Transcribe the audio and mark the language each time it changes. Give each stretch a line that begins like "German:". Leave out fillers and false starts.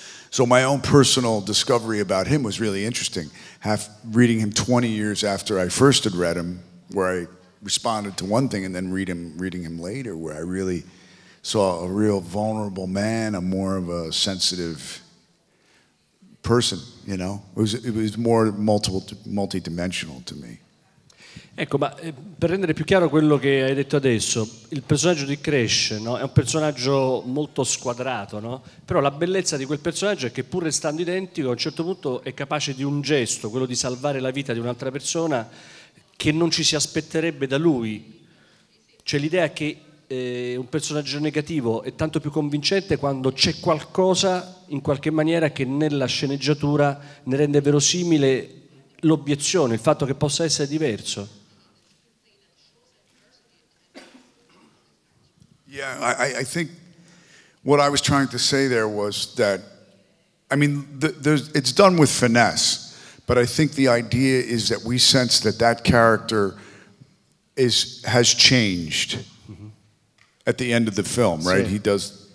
English: So my own personal discovery about him was really interesting. Reading him 20 years after I first had read him, where I responded to one thing, and then reading him later, where I really saw a real vulnerable man, a more of a sensitive person, you know? It was more multi-dimensional to me.
Italian: Ecco, ma per rendere più chiaro quello che hai detto adesso, il personaggio di Crash, no, è un personaggio molto squadrato, no? Però la bellezza di quel personaggio è che, pur restando identico, a un certo punto è capace di un gesto, quello di salvare la vita di un'altra persona, che non ci si aspetterebbe da lui. Cioè, l'idea è che un personaggio negativo è tanto più convincente quando c'è qualcosa, in qualche maniera, che nella sceneggiatura ne rende verosimile l'obiezione, il fatto che possa essere diverso.
English: Yeah, I think what I was trying to say there was that, I mean, it's done with finesse, but I think the idea is that we sense that character has changed, mm-hmm, at the end of the film, right? Sì.